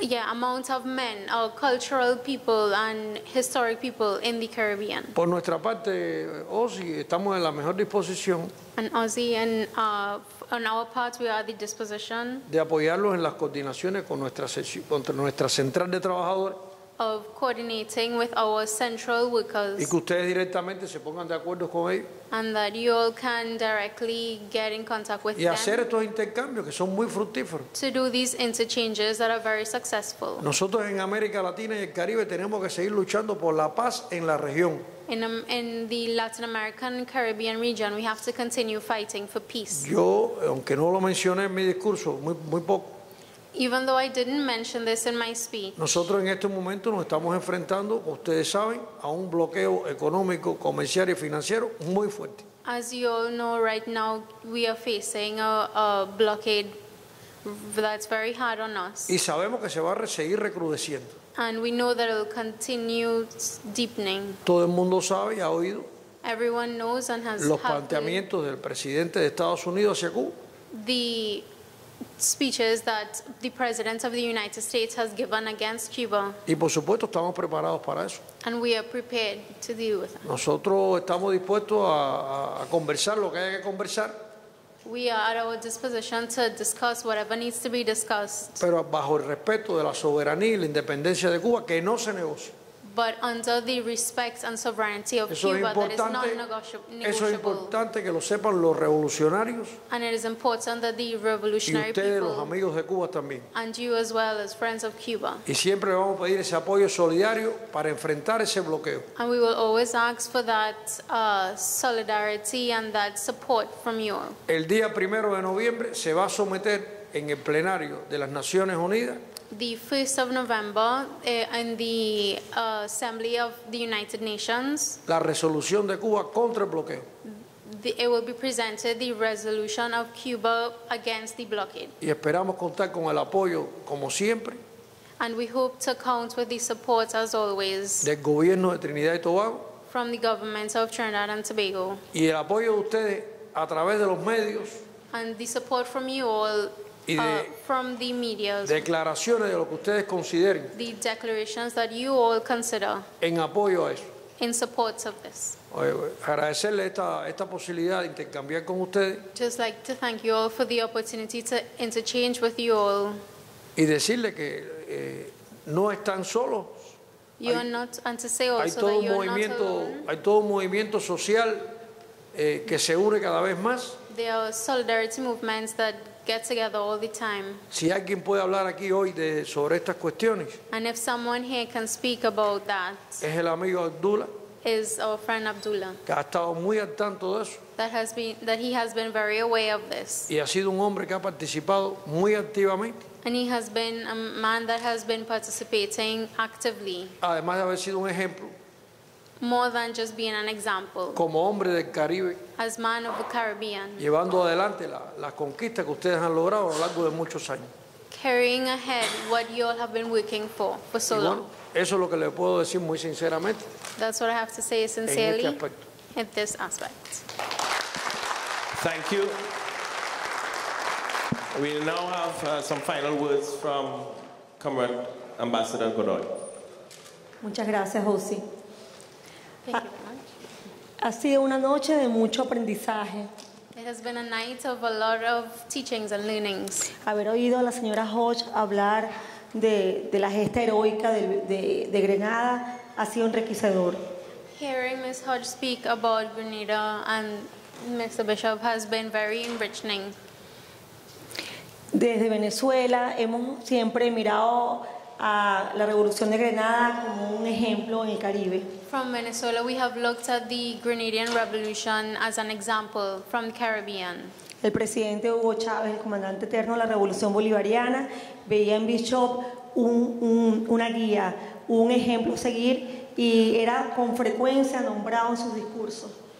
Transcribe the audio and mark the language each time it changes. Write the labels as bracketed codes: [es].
[en] amount of men, or cultural people and historic people in the Caribbean. [es] Por nuestra parte, Ozzy, estamos en la mejor disposición. [en] And Ozzy, and on our part, we are the disposition. [es] De apoyarlos en las coordinaciones con nuestra central de trabajadores. [en] Of coordinating with our central workers. [es] Y que ustedes directamente se pongan de acuerdo con ellos. [en] And that you all can directly get in contact with [es] them. Y hacer estos intercambios que son muy fructíferos. [en] To do these interchanges that are very successful. [es] Nosotros en América Latina y el Caribe tenemos que seguir luchando por la paz en la región. [en] In the Latin American Caribbean region, we have to continue fighting for peace. [es] Yo, aunque no lo mencioné en mi discurso, muy poco. [en] Even though I didn't mention this in my speech. [es] Nosotros en este momento nos estamos enfrentando, ustedes saben, a un bloqueo económico, comercial y financiero muy fuerte. [en] As you all know, right now we are facing a blockade that's very hard on us. [es] Y sabemos que se va a seguir recrudeciendo. [en] And we know that it will continue deepening. [es] Todo el mundo sabe y ha oído. [en] Everyone knows and has heard. [es] Los planteamientos del presidente de Estados Unidos hacia Cuba. [en] The speeches that the President of the United States has given against Cuba. [es] Y por supuesto, estamos preparados para eso. [en] And we are prepared to deal with them. [es] Nosotros estamos dispuestos a conversar lo que haya que conversar. [en] We are at our disposition to discuss whatever needs to be discussed. [es] Pero bajo el respeto de la soberanía y la independencia de Cuba, que no se negocie. [en] But under the respect and sovereignty of [es] eso [en] Cuba, that is not negotiable. [es] Eso es importante que lo sepan los revolucionarios. [en] And it is important that the revolutionary [es] y ustedes, [en] people, [es] los amigos de Cuba también. [en] And you as well as friends of Cuba. [es] Y siempre vamos a pedir ese apoyo solidario para enfrentar ese bloqueo. [en] And we will always ask for that solidarity and that support from you. [es] El día primero de noviembre se va a someter en el plenario de las Naciones Unidas. [en] The 1st of November, in the Assembly of the United Nations, [es] la resolución de Cuba contra el bloqueo. [en] It will be presented the resolution of Cuba against the blockade. [es] Y esperamos contar con el apoyo, como siempre. [en] And we hope to count with the support, as always, [es] del gobierno de Trinidad y Tobago, [en] from the government of Trinidad and Tobago. [es] Y el apoyo de ustedes a través de los medios. [en] And the support from you all. [es] Y de [en] from the media, [es] declaraciones de lo que ustedes consideren, [en] the declarations that you all consider, [es] en apoyo a eso, [en] in support of this. [es] Agradecerle esta posibilidad de intercambiar con ustedes. [en] Just like to thank you all for the opportunity to interchange with you all. [es] Y decirle que no están solos. [en] You are not, and to say also [es] hay todo [en] that [es] un movimiento, [en] you are not alone. [es] Hay todo un movimiento social que se une cada vez más. [en] There are solidarity movements that get together all the time. [es] Si alguien puede hablar aquí hoy sobre estas cuestiones. [en] And if someone here can speak about that. [es] Es el amigo Abdullah. [en] Is our friend Abdullah. [es] Que ha estado muy al tanto de eso. [en] That he has been very aware of this. [es] Y ha sido un hombre que ha participado muy activamente. [en] And he has been a man that has been participating actively. [es] Además de haber sido un ejemplo. [en] More than just being an example. [es] Como hombre del Caribe. [en] As man of the Caribbean. [es] Llevando adelante las conquistas que ustedes han logrado a lo largo de muchos años. [en] Carrying ahead what you all have been working for so long. [es] Bueno, eso es lo que le puedo decir muy sinceramente. [en] That's what I have to say sincerely. [es] En este aspecto. [en] In this aspect. Thank you. We now have some final words from Comrade Ambassador Godoy. [es] Muchas gracias, Josie. [en] Thank you very much. [es] Ha sido una noche de mucho aprendizaje. [en] It has been a night of a lot of teachings and learnings. [es] Haber oído a la señora Hodge hablar de la gesta heroica de Grenada ha sido enriquecedor. [en] Hearing Ms. Hodge speak about Grenada and Mr. Bishop has been very enriching. [es] Desde Venezuela hemos siempre mirado a la Revolución de Grenada como un ejemplo en el Caribe. [en] From Venezuela, we have looked at the Grenadian Revolution as an example from the Caribbean. [es] El presidente Hugo Chávez, el comandante eterno de la Revolución Bolivariana, veía en Bishop una guía, un ejemplo a seguir, y era con frecuencia nombrado en sus discursos.